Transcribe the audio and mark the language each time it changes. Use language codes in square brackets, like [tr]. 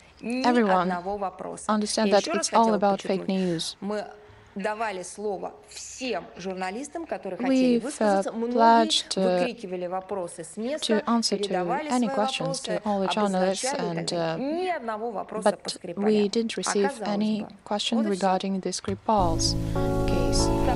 [en] everyone understand that it's all about fake news. [ru] Давали слово всем журналистам, которые хотели высказаться, мы [en] to answer to any questions to all the journalists, and but we didn't receive any question regarding the Skripal's case.